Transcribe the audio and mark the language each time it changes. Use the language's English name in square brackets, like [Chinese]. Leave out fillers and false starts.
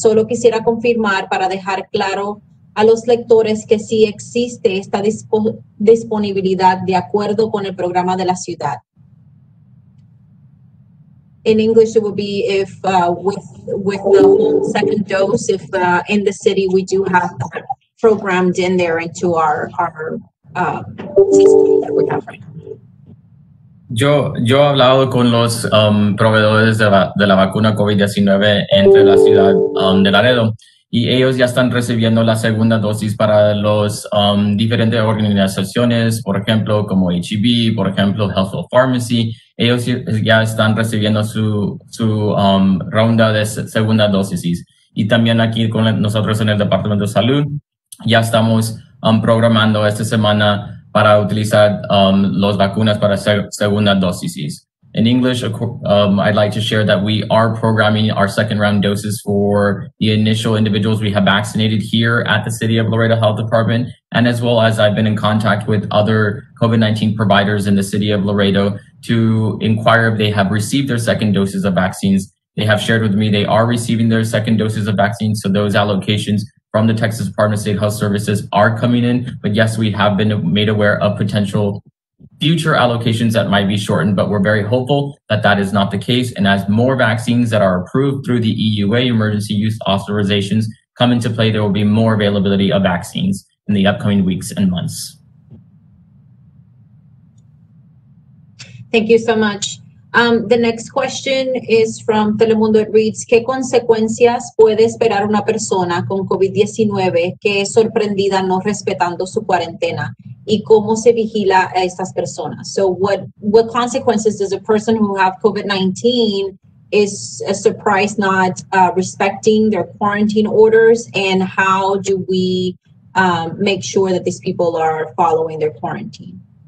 [Spanish] Solo quisiera confirmar para dejar claro a los lectores que sí existe esta disponibilidad de acuerdo con el programa de la ciudad. [English] In English, it would be if with the second dose, if in the city we do have that programmed in there into our system that we have right now. [Spanish] Yo he hablado con los proveedores de la vacuna COVID-19 entre la ciudad de Laredo. Y ellos ya están recibiendo la segunda dosis para los diferentes organizaciones, por ejemplo, como HEB, por ejemplo, Healthful Pharmacy. Ellos ya están recibiendo su ronda de segunda dosis. Y también aquí con nosotros en el Departamento de Salud, ya estamos programando esta semana para utilizar las vacunas para segunda dosis. [English] In English, I'd like to share that we are programming our second round doses for the initial individuals we have vaccinated here at the City of Laredo Health Department. And as well as I've been in contact with other COVID-19 providers in the City of Laredo to inquire if they have received their second doses of vaccines They have shared with me they are receiving their second doses of vaccine. So those allocations from the Texas Department of State Health Services are coming in. But yes, we have been made aware of potential future allocations that might be shortened, but we're very hopeful that that is not the case. And as more vaccines that are approved through the EUA emergency use authorizations come into play, there will be more availability of vaccines in the upcoming weeks and months. Thank you so much. The next question is from Telemundo. It reads, [Spanish] ¿Qué consecuencias puede esperar una persona con COVID-19 que es sorprendida no respetando su cuarentena? ¿Y cómo se vigila a estas personas? [English] So what consequences does a person who have COVID-19 is surprised not respecting their quarantine orders, and how do we make sure that these people are following their quarantine?